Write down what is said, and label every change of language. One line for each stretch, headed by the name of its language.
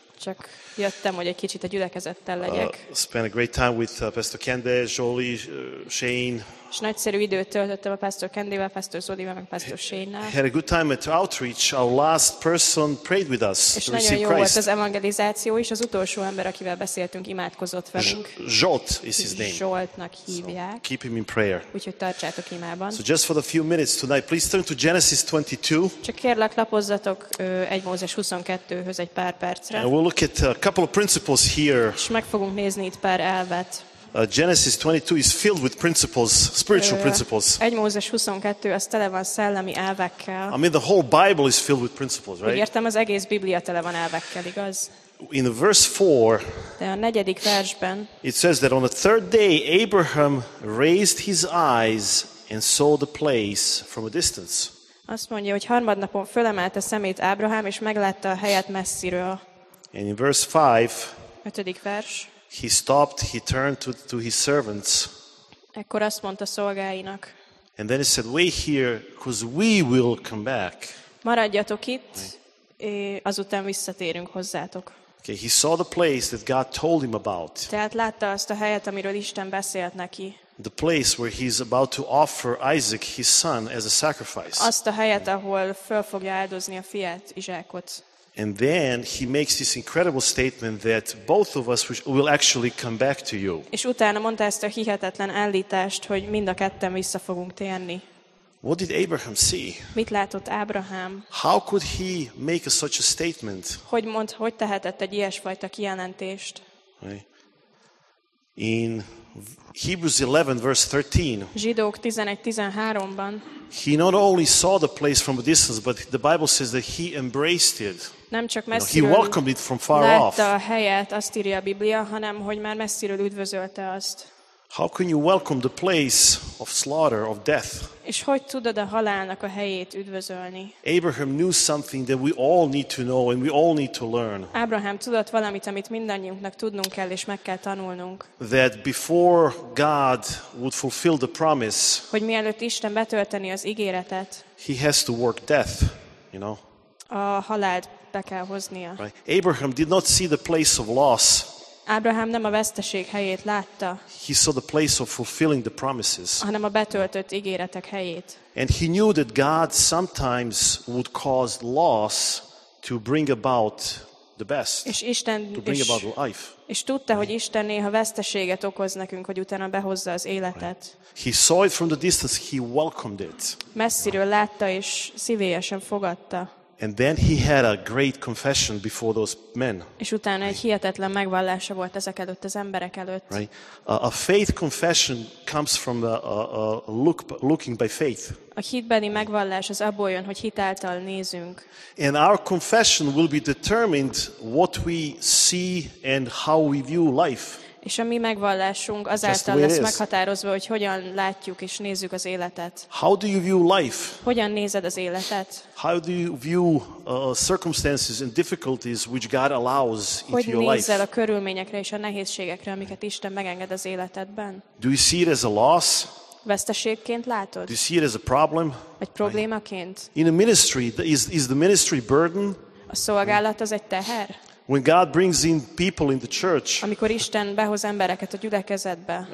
Hungarian: csak jöttem, hogy egy kicsit a gyülekezettel legyek.
English: Spent a great time with Pastor Kende, Jolie, Shane.
Hungarian: És nagyszerű időt töltöttem a Pastor Kendével, Pastor Zolival, meg Pastor Shane-nál.
English: Had a good time at outreach. Our last person prayed with us to receive Christ.
Hungarian: És nagyon jó volt az evangelizáció is. Az utolsó ember, akivel beszéltünk, imádkozott velünk.
English: Zsolt is his name.
Hungarian: Zsoltnak hívják.
English: So keep him in prayer.
Hungarian: Úgyhogy tartsátok imában.
English: So just for the few minutes tonight, please turn to Genesis 22.
Hungarian: Csak kérlek, lapozzatok 1 Mózes 22-höz egy pár percre.
English: And we'll look at a couple of principles here.
Hungarian: És meg fogunk nézni itt pár elvet.
English: Genesis 22 is filled with principles, spiritual principles.
Hungarian: 1 Mózes 22, az tele van szellemi elvekkel.
English: I mean, the whole Bible is filled with principles, right?
Hungarian: Úgy értem, az egész Biblia tele van elvekkel, igaz?
English: In verse 4,
Hungarian: de a negyedik versben,
English: it says that on the third day, Abraham raised his eyes and saw the place from a distance.
Hungarian: Azt mondja, hogy harmadnapon fölemelte szemét Ábrahám, és meglátta a helyet messziről.
English: And in verse 5,
Hungarian: ötödik vers,
English: he stopped, he turned to his servants.
Hungarian: Ekkor azt mondta szolgáinak.
English: And then he said, wait here, because we will come back.
Hungarian: Maradjatok itt, azután visszatérünk hozzátok.
English: Okay, he saw the place that God told him about.
Hungarian: Tehát látta azt a helyet, amiről Isten beszélt neki.
English: The place where he's about to offer Isaac, his son, as a sacrifice.
Hungarian: Azt a helyet, ahol föl fogja áldozni a fiát, Izsákot.
English: And then he makes this incredible statement that both of us will actually come back to you.
Hungarian: És utána mondta ezt a hihetetlen állítást, hogy mind a ketten vissza fogunk térni.
English: What did Abraham see?
Hungarian: Mit látott Ábrahám?
English: How could he make such a statement?
Hungarian: Hogy tehetett egy ilyesfajta kijelentést?
English: In Hebrews 11 verse 13.
Hungarian: Zsidók 11:13-ban.
English: He not only saw the place from a distance, but the Bible says that he embraced it.
Hungarian: Nem csak messziről,
English: you know, he welcomed it from far off.
Hungarian: Látta a helyet, azt írja a Biblia, hanem hogy már messziről üdvözölte azt.
English: How can you welcome the place of slaughter, of death?
Hungarian: És hogy tudod a halálnak a helyét üdvözölni?
English: Abraham knew something that we all need to know and we all need to learn.
Hungarian: Abraham tudott valamit, amit mindannyiunknak tudnunk kell és meg kell tanulnunk.
English: That before God would fulfill the promise,
Hungarian: hogy mielőtt Isten betölteni az ígéretet,
English: he has to work death, you know?
Hungarian: A halált be kell hoznia.
English: Right? Abraham did not see the place of loss.
Hungarian: Abraham nem a veszteség helyét látta.
English: He saw the place of fulfilling the promises.
Hungarian: Hanem a betöltött ígéretek helyét.
English: And he knew that God sometimes would cause loss to bring about the best.
Hungarian: És Isten,
English: to bring about life.
Hungarian: És tudta, right, hogy Isten néha veszteséget okoz nekünk, hogy utána behozza az életet.
English: Right. He saw it from the distance, he welcomed it.
Hungarian: Messziről látta és szívélyesen fogadta.
English: And then he had a great confession before those men.
Hungarian: És utána egy hihetetlen megvallása volt ezek előtt, az emberek előtt.
English: Right. A faith confession comes from a looking by faith.
Hungarian: A hitbeni megvallás az abból jön, hogy hitáltal nézünk.
English: And our confession will be determined what we see and how we view life.
Hungarian: És a mi megvallásunk azáltal lesz meghatározva, hogy hogyan látjuk és nézzük az életet.
English: How do you view life?
Hungarian: Hogyan nézed az életet?
English: How do you view circumstances and difficulties which God allows
Hungarian: hogy
English: into your life?
Hungarian: Hogy nézel a körülményekre és a nehézségekre, amiket Isten megenged az életedben?
English: Do you see it as a loss?
Hungarian: Veszteségként látod?
English: Do you see it as a problem?
Hungarian: Egy problémaként?
English: In a ministry, is the ministry burden?
Hungarian: A szolgálat az egy teher?
English: When God brings in people in the church,
Hungarian: amikor Isten behoz embereket a gyülekezetbe,